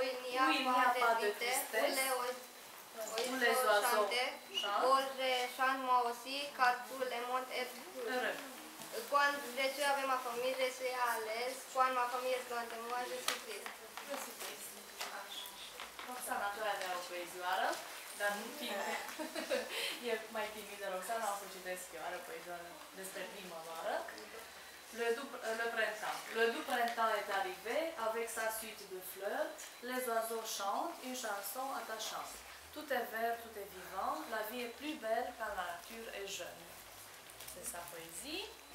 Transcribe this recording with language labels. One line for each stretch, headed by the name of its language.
French: il n'y a pas de tristesse, où les oiseaux chantent, où je chante moi aussi, car tout le monde est heureux. Quand je suis avec ma famille, je suis à l'aise, quand ma famille est loin de moi, je suis triste.
Romanian: Roxana, tu ai o poezioară, dar nu timide. E mai timidă Roxana, o să citesc eu, are o poezioară despre primăvară.
French: Le printemps. Le doux printemps est arrivé, avec sa suite de fleurs, les oiseaux chantent, une chanson attachante. Tout est vert, tout est vivant, la vie est plus belle quand la nature est jeune. C'est sa poésie.